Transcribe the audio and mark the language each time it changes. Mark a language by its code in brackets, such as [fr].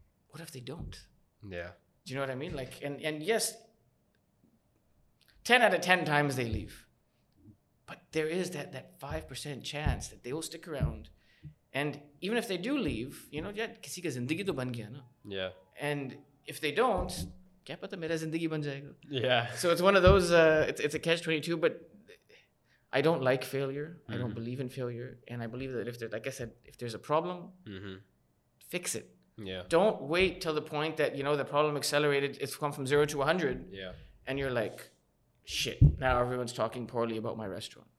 [en] What if they don't? Yeah. Do you know what I mean? Like, and yes, 10 out of 10 times they leave. But there is that 5% chance that they will stick around. And even if they do leave, you know, yeah, [hi] किसी का ज़िंदगी तो बन गया ना। [en] Yeah. And if they don't, [hi] क्या पता मेरा ज़िंदगी बन जायेगा। [en] Yeah. So it's one of those, it's a catch 22, but I don't like failure. I don't believe in failure. And I believe that if there's a problem, fix it. Yeah. Don't wait till the point that, you know, the problem accelerated, it's gone from 0 to 100. Yeah. And you're like, shit, now everyone's talking poorly about my restaurant.